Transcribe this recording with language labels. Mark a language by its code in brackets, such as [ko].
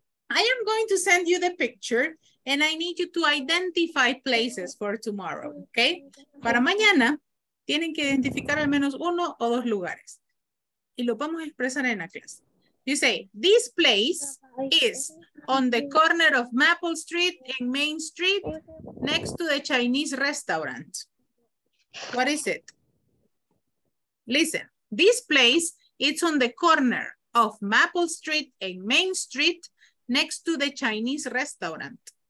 [en] I am going to send you the picture and I need you to identify places for tomorrow, ok? [es] Para mañana, tienen que identificar al menos uno o dos lugares. Y lo vamos a expresar en la clase. [en] You say, this place is on the corner of Maple Street and Main Street next to the Chinese restaurant. What is it? Listen, this place is on the corner of Maple Street and Main Street next to the Chinese restaurant.